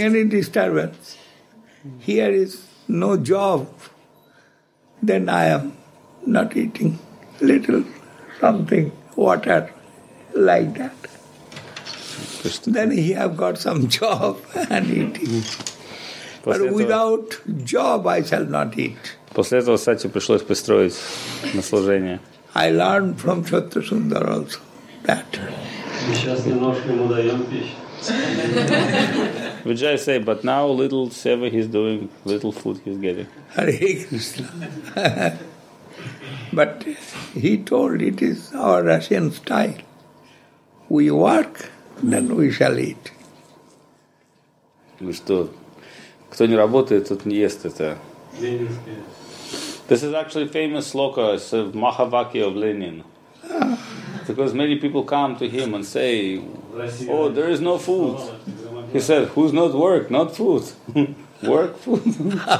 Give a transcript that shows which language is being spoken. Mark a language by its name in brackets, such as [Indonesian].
[English] I am not feeling any disturbance. Here is no job. Then I am not eating little something, water, like that. Then he have got some job and eating. But without job, I shall not eat. [Russian] После этого, кстати, пришлось пристроить на служение. [English] I learned from Shatrusundar also that. Vijay say, but now little seva he's doing, little food he's getting. Hare Krishna. But he told it is our Russian style. We work, then we shall eat. [Russian] Ну что, кто не работает, тот не ест это. [English] This is actually famous sloka, it's a Mahavakya of Lenin. Because many people come to him and say, oh, there is no food. He said, who's not work? Not food. Work, food.